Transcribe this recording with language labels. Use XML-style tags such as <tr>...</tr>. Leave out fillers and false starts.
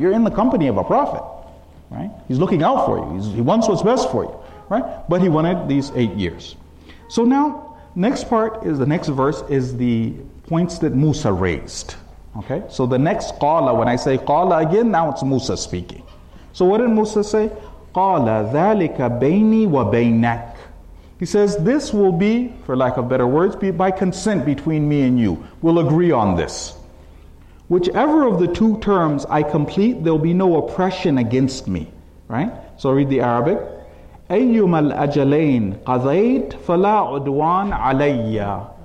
<en>You're in the company of a prophet. Right? He's looking out for you. He wants what's best for you. Right? But he wanted these 8 years. So now, the next verse is the points that Musa raised. Okay? So the next qala, when I say qala again, now it's Musa speaking. So what did Musa say?</en> <ar>Qala ذَلِكَ بَيْنِي وَبَيْنَكَ.</ar> <en>He says, this will be, for lack of better words, be by consent between me and you. We'll agree on this. Whichever of the two terms I complete, there'll be no oppression against me. Right? So I read the Arabic.</en> <ar>أَيُّمَا الْأَجَلَيْنِ قَضَيْتْ فَلَا عُدْوَانْ عَلَيَّ.</ar>